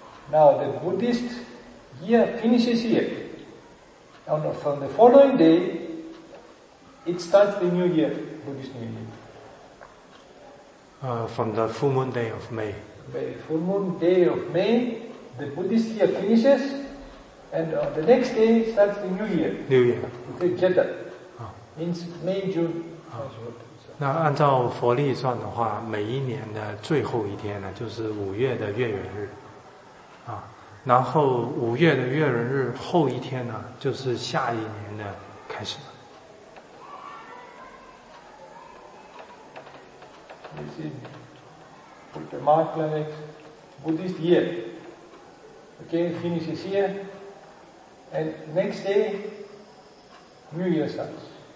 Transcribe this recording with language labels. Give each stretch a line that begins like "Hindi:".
English: Now, the Buddhist year finishes here. And from the following day, it starts the new year, Buddhist New Year. From the full moon day of May. The full moon day of May, the Buddhist year finishes, and on the next day starts the new year. New Year. Okay, Jeta. Means May, June. That's what.
Chinese: 那按照佛历算的话，每一年的最后一天呢，就是五月的月圆日，啊，然后五月的月圆日后一天呢，就是下一年的开始。
English: This is the mark for next Buddhist year. Okay, finishes here, and next day, New Year starts.